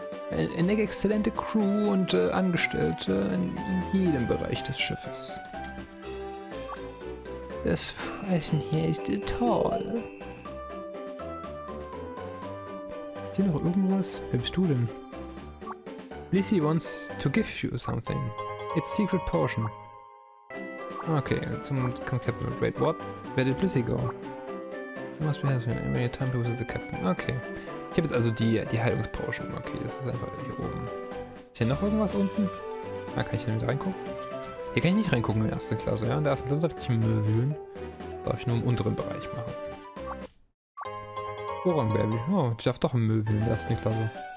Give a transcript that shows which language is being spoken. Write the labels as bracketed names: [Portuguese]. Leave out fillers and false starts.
[German] Eine exzellente Crew und Angestellte in jedem Bereich des Schiffes. Das Essen hier ist toll. Ist hier noch irgendwas? Wer bist du denn? [English] Lissy wants to give you something. It's secret potion. [German] Okay, zum Captain. [English] Wait, what? Where did Lissy go? You must be having a many time with the Captain. Okay. [German] Ich habe jetzt also die Heilungsportion. Okay, das ist einfach hier oben. Ist hier noch irgendwas unten? Da kann ich hier nicht reingucken. Hier kann ich nicht reingucken in der ersten Klasse. Ja, in der ersten Klasse darf ich nicht mehr wühlen. Darf ich nur im unteren Bereich machen. Woran, Baby? Oh, ich darf doch im Müll wühlen in der ersten Klasse.